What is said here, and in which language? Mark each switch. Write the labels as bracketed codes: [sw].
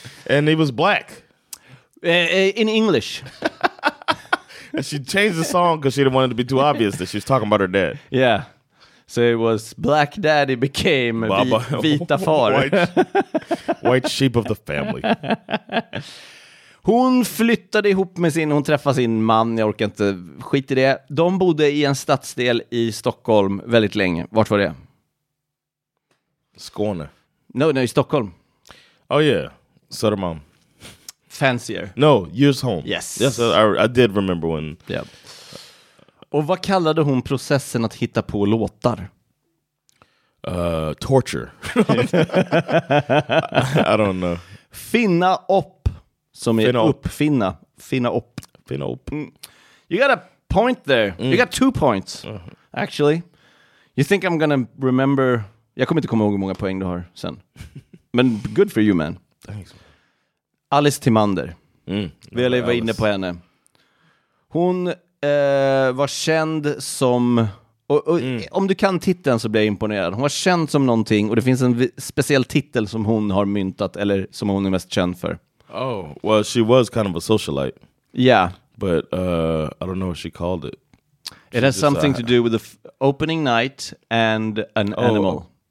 [en] And he was black. In English. And she changed the song because she didn't want it to be too obvious that she was talking about her dad. Yeah. So it was Black Daddy became Baba. [sv] Vita Far. [en] white sheep of the family. [sv] Hon flyttade ihop med sin, hon träffade sin man, jag orkar inte, skit i det. De bodde i en stadsdel i Stockholm väldigt länge. Vart var det? Skåne. No, i Stockholm. [en] Oh yeah, Södermalm. Fancier. No, Djursholm. Yes. Yes, I did remember when. Yeah. [sv] Och vad kallade hon processen att hitta på låtar? [en] Torture. I don't know. [sv] Finna upp. Som är uppfinna. Finna upp. Finna upp. Mm. [en] You got a point there. Mm. You got 2 points, actually. You think I'm gonna remember... [sv] Jag kommer inte komma ihåg hur många poäng du har sen. [en] Men good for you, man. Thanks. Alice Timander. Mm. [sv] Vi har levt inne på henne. Hon var känd som... om du kan titeln så blir jag imponerad. Hon var känd som någonting och det finns en speciell titel som hon har myntat eller som hon är mest känd för. [en] Oh, well, she was kind of a socialite. Yeah. But I don't know what she called it. It has something to do with the opening night and an animal.